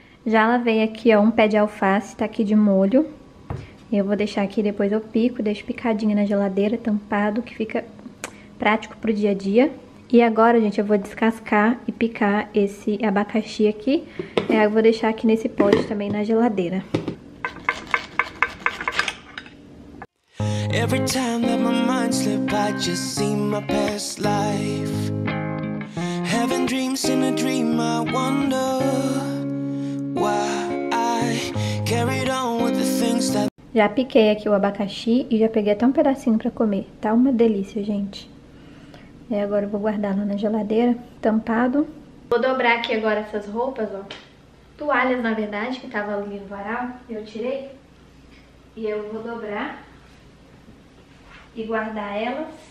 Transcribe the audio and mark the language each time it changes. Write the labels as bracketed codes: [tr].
[pt] Já lavei aqui, ó, um pé de alface, tá aqui de molho. Eu vou deixar aqui, depois eu pico, deixo picadinho na geladeira, tampado, que fica prático pro dia a dia. E agora, gente, eu vou descascar e picar esse abacaxi aqui. É, eu vou deixar aqui nesse pote também na geladeira. [en] Every time that my mind slips, I just see my past life. Having dreams in a dream, I wonder why I carried on with the things that. [pt] Já piquei aqui o abacaxi e já peguei até um pedacinho pra comer. Tá uma delícia, gente. E agora eu vou guardar lá na geladeira, tampado. Vou dobrar aqui agora essas roupas, ó. Toalhas, na verdade, que tava ali no varal. Eu tirei. E eu vou dobrar e guardar elas.